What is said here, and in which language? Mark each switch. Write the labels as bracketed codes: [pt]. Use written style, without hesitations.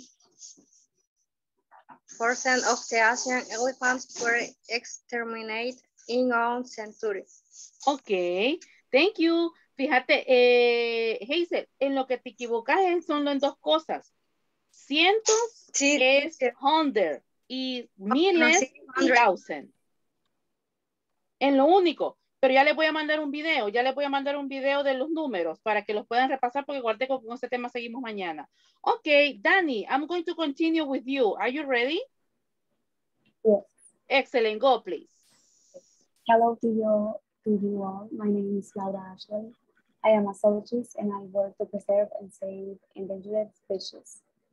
[en] 15% of the Asian elephants were exterminated in one century. Okay, thank you. [es] Fíjate, Hazel, en lo que te equivocas es solo en dos cosas. Cientos sí, es hundred y miles y thousand. En lo único. Pero ya les voy a mandar un video. Ya les voy a mandar un video de los números para que los puedan repasar porque guardé con este tema seguimos mañana. [en] Ok, Dani, I'm going to continue with you. Are you ready? Yes. Excellent. Go, please. Hello to you, all. My name is Laura Ashley. I am a zoologist and I work to preserve and save endangered species.